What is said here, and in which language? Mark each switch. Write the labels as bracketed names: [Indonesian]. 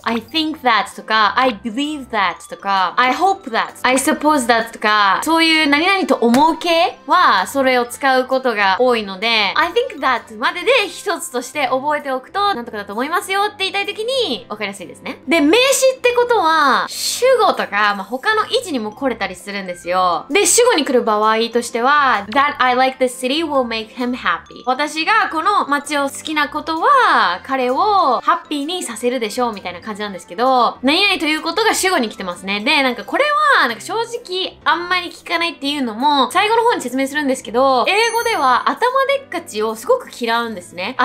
[English] I think that [Japanese] とか、 [English] I believe that [Japanese] とか、 [English] I hope that、 I suppose that [Japanese] とか、そういう何々と思う系は、それを使うことが多いので、I think that までで一つとして覚えておくと、なんとかだと思いますよって言いたいときに、わかりやすいですね。で、名詞ってことは、主語とか、まあ、他の位置にも来れたりするんですよ。で、主語に来る場合としては、 [English] that I like this city will make him happy。 [Japanese] 私がこの街を好きなことは、彼をハッピーにさせるでしょう、みたいな感じなんですけど、何々ということが主語に来てますね。で、なんかこれは、なんか正直あんまり聞かないっていうのも、最後の方に説明するんですけど、英語では頭でっかちをすごく嫌うんですね。